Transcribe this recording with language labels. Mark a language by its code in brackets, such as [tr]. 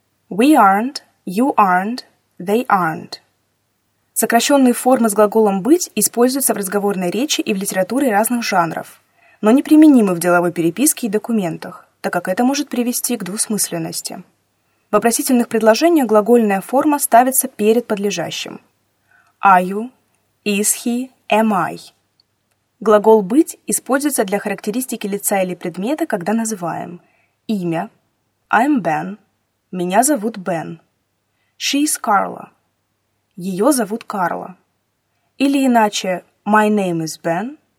[en] We aren't, you aren't, they aren't. [ru] Сокращенные формы с глаголом «быть» используются в разговорной речи и в литературе разных жанров, но неприменимы в деловой переписке и документах, так как это может привести к двусмысленности. В вопросительных предложениях глагольная форма ставится перед подлежащим. [en] Are you? Is he? Am I? [ru] Глагол «быть» используется для характеристики лица или предмета, когда называем. [en] Имя. I'm Ben. [ru] Меня зовут Ben. [en] She is Carla. [ru] Ее зовут Карла. Или иначе [en] My name is Ben.